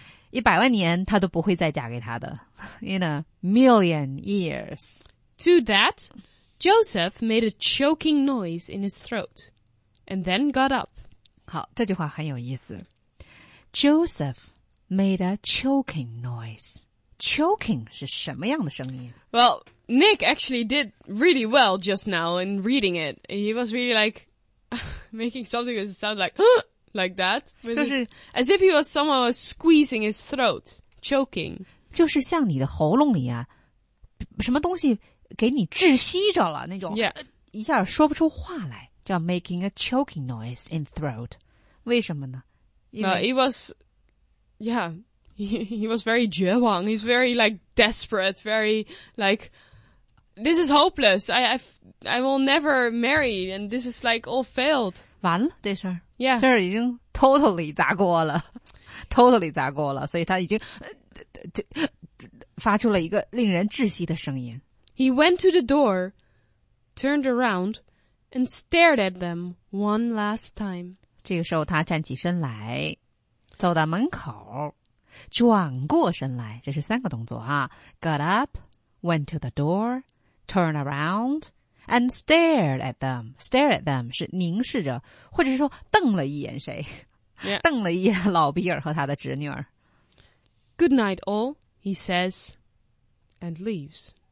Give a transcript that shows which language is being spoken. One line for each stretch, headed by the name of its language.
Chinese: 一百万年她都不会再嫁给他的。
English: In a million years. To that, Joseph made a choking noise in his throat and then got up.
Chinese: 好，这句话很有意思。
English: Joseph made a choking noise.
Chinese: Choking 是什么样的声音？
English: Well,Nick actually did really well just now in reading it. He was really like making something that sounded like, like that. As if he was someone squeezing his throat, choking.
Chinese: 就是像你的喉咙里啊，什么东西给你窒息着了，那种，
English: yeah.
Chinese: 一下说不出话来，叫
English: making a choking noise in throat.
Chinese: 为什么呢
English: he was very
Chinese: 绝望
English: He's very, like, desperate, very, like, this is hopeless. I will never marry, and this is, like, all failed.
Chinese: 完了这事儿。
English: Yeah.
Chinese: 这儿已经 totally 砸锅了。Totally 砸锅了。所以他已经发出了一个令人窒息的声音。
English: He went to the door, turned around, and stared at them one last time.
Chinese: 这个时候他站起身来，走到门口，转过身来，这是三个动作啊。
English: Got up, went to the door, turned around, and stared at them. Stared at them
Chinese: 是凝视着，或者说瞪了一眼谁。
English: Yeah.
Chinese: 瞪了一眼老比尔和他的侄女儿。
English: Good night all, he says, and leaves.